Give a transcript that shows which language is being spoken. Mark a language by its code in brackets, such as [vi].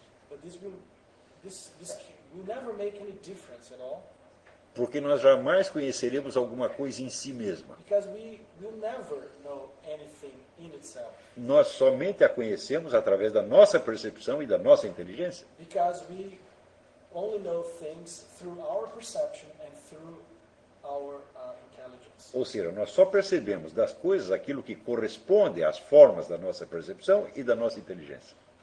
[en] But this will never make any difference at all. [pt] Porque nós jamais conheceremos alguma coisa em si mesma. [en] Because we will never know anything in itself. [pt] Nós somente a conhecemos através da nossa percepção e da nossa inteligência. [en] Because we only know things through our perception and through our intelligence. [pt] Ou seja, nós só percebemos das coisas aquilo que corresponde às formas da nossa percepção e da nossa inteligência.